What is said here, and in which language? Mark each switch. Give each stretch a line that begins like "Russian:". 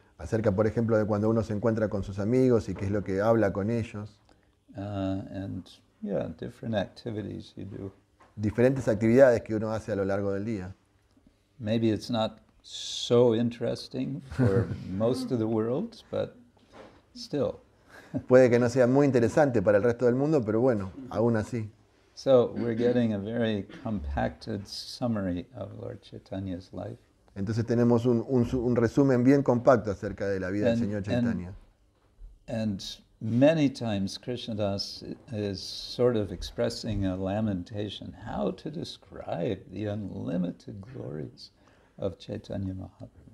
Spanish: Acerca, por ejemplo, de cuando uno se encuentra con sus amigos y qué es lo que habla con ellos.
English: And yeah, different activities you do.
Spanish: Diferentes actividades que uno hace a lo largo del día.
English: Maybe it's not so interesting for most of the world, but still.
Spanish: Puede que no sea muy interesante para el resto del mundo, pero bueno, aún así.
English: So we're getting a very compacted summary of Lord Chaitanya's life.
Spanish: Entonces tenemos un resumen bien compacto acerca de la vida del señor Chaitanya.
English: And many times Krishnadas is sort of expressing a lamentation how to describe the unlimited glories of Chaitanya Mahaprabhu.